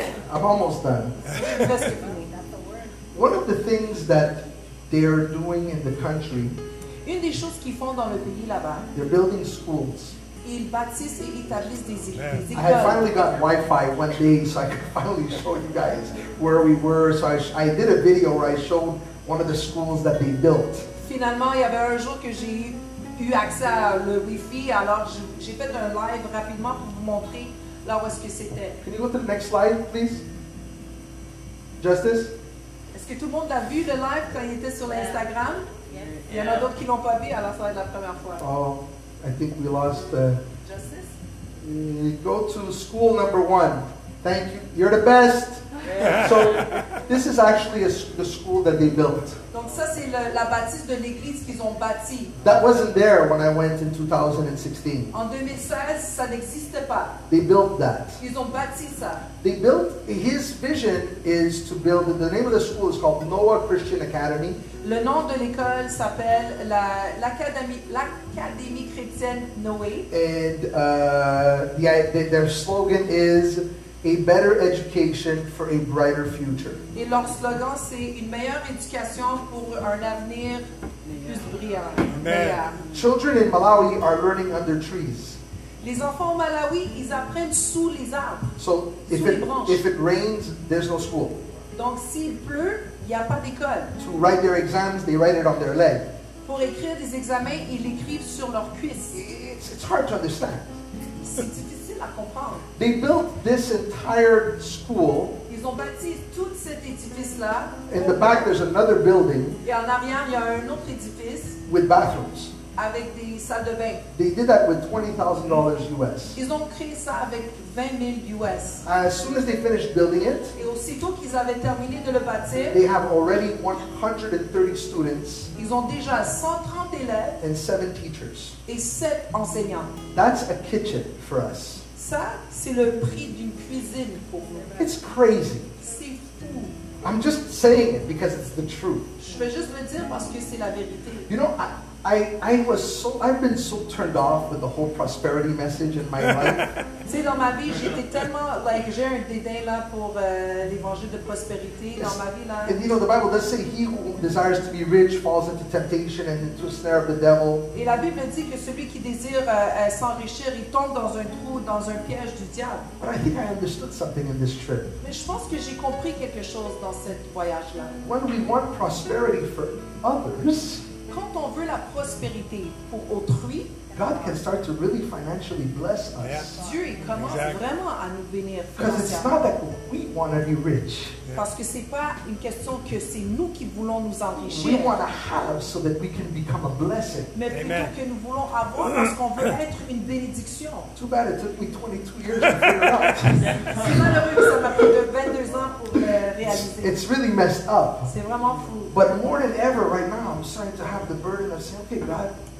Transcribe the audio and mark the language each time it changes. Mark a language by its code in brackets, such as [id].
[en] I'm almost done. One of the things that they're doing in the country. [fr] Une des choses qu'ils font dans le pays là-bas. [en] They're building schools. [fr] Ils bâtissent et établissent des écoles. [en] I had finally got Wi-Fi one day, so I could finally show you guys where we were. So I did a video where I showed one of the schools that they built. [fr] Finalement, il y avait un jour que j'ai eu accès à le Wi-Fi, alors j'ai fait un live rapidement pour vous montrer là où est-ce que c'était. [en] Can you go to the next slide, please? Justice? [fr] Est-ce que tout le monde a vu le live quand il était sur Instagram? [en] Yeah. Yeah. [fr] Il y en a d'autres qui ne l'ont pas vu, alors ça va être la première fois. [en] Oh. I think we lost Justice? Go to school number one. Thank you. You're the best. So this is actually the school that they built. [fr] Donc ça c'est la bâtisse de l'église qu'ils ont bâti. [en] That wasn't there when I went in 2016. [fr] En 2016, ça n'existait pas. [en] They built that. [fr] Ils ont bâti ça. [en] They built his vision is to build the name of the school is called Noah Christian Academy. [fr] Le nom de l'école s'appelle l'Académie chrétienne Noé. [en] And their slogan is a better education for a brighter future. [fr] Et leur slogan c'est une meilleure éducation pour un avenir plus brillant. [en] Amen. Children in Malawi are learning under trees. [fr] Les enfants au Malawi, ils apprennent sous les arbres. [en] So if [fr] sous [en] it, [fr] les branches. [en] If it rains, there's no school. [fr] Donc s'il pleut, il y a pas d'école. [en] To write their exams, they write it on their leg. [fr] Pour écrire des examens, ils l'écrivent sur leurs cuisses. [en] It's hard to understand. [fr] C'est difficile à comprendre. [en] They built this entire school. [fr] Ils ont bâti toute cette édifice là. [en] In the back there's another building. [fr] Et en arrière, il y a un autre édifice. [en] With bathrooms. [fr] Avec des salles de bain. [en] They did that with $20,000 US. [fr] Ils ont créé ça avec 20,000 US. [en] As soon as they finished building it, [fr] et aussitôt qu'ils avaient terminé de le bâtir, [en] they have already 130 students. [fr] Ils ont déjà 130 élèves [en] and 7 teachers. [fr] Et 7 enseignants. [en] That's a kitchen for us. [fr] Ça, c'est le prix d'une cuisine pour nous. [en] It's crazy. [fr] C'est fou. [en] I'm just saying it because it's the truth. [fr] Je veux juste le dire parce que c'est la vérité. [en] You know, I've been so turned off with the whole prosperity message in my life. [fr] C'est dans ma vie, j'étais tellement like j'ai un dédain là pour l'évangile de prospérité dans ma vie là. [en] And you know, the Bible does say he who desires to be rich falls into temptation and into a snare of the devil. [fr] Et la Bible dit que celui qui désire s'enrichir, il tombe dans un trou, dans un piège du diable. [en] But I think I understood something in this trip. [fr] Mais je pense que j'ai compris quelque chose dans cette voyage là. [en] When we want prosperity for others. [fr] Quand on veut la prospérité pour autrui, [en] God can start to really financially bless us. Yeah. [fr] Dieu, il commence exactly. vraiment à nous bénir. [en] Because it's not that we want to be rich. [fr] Parce que c'est pas une question que c'est nous qui voulons nous enrichir. [en] We want to have so that we can become a blessing. [fr] Mais plutôt que nous voulons avoir parce qu'on veut être une bénédiction. [en] Too bad it took me 22 years to figure [fr] out. C'est malheureux que ça m'a pris de 22 ans pour réaliser. [en] It's really messed up. [fr] C'est vraiment fou. [en] But more than ever, right now, I'm starting to have the burden of saying, okay, God.